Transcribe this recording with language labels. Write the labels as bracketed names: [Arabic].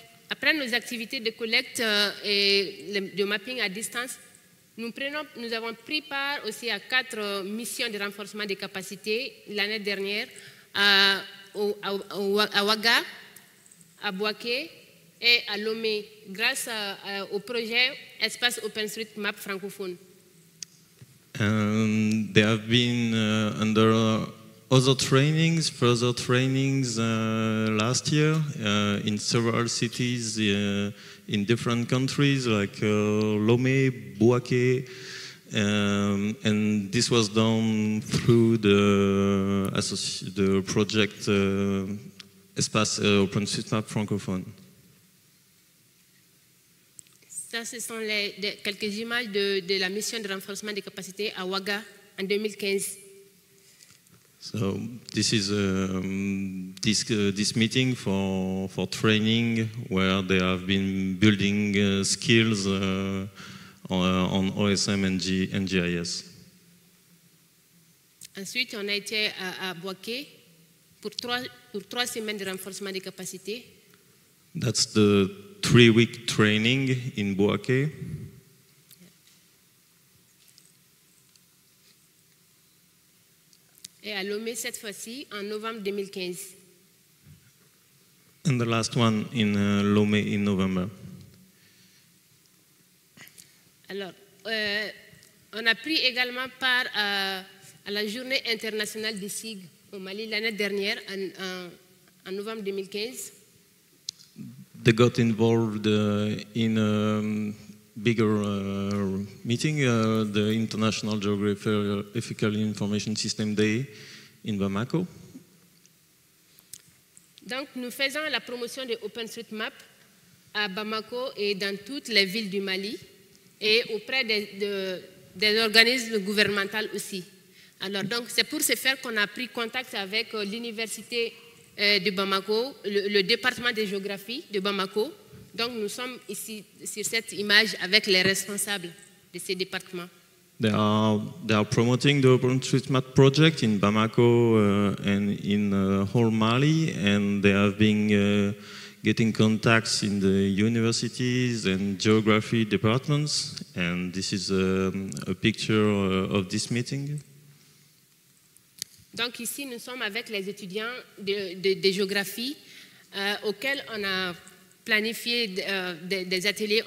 [French] Après nos activités de collecte et de mapping à distance, nous avons pris part aussi à 4 missions de renforcement des capacités l'année dernière à Ouaga, à Bouaké et à Lomé, grâce au projet Espace OpenStreetMap francophone. [English] They have been under further trainings last year in several cities in different countries like Lomé, Bouaké, and this was done through the project Espace OpenStreetMap Francophone. [French] Ça, ce sont quelques images de la mission de renforcement des capacités à Ouaga en 2015. [English] So this is this meeting for training where they have been building skills on OSM and GIS. [French] Ensuite, on a été à Bouaké pour trois semaines de renforcement des capacités. [English] That's the 3-week training in Bouaké. [French] Et à Lomé cette fois-ci en novembre 2015. [English] And the last one in Lomé in November. [French] Alors, on a pris également part à la journée internationale des SIG au Mali l'année dernière en novembre 2015. [English] they got involved in a bigger meeting, the International Geographical Information System Day in Bamako. [French] Donc, nous faisons la promotion de OpenStreetMap à Bamako et dans toutes les villes du Mali et auprès des organismes gouvernementaux aussi. Alors, donc, c'est pour ce faire qu'on a pris contact avec l'Université de Bamako, le département de géographie de Bamako. Donc, nous sommes ici sur cette image avec les responsables de ces départements. [English] They are promoting the OpenStreetMap project in Bamako and in whole Mali, and they have been getting contacts in the universities and geography departments, and this is a picture of this meeting. [French] Donc ici nous sommes avec les étudiants de géographie auxquels on a planifié des ateliers.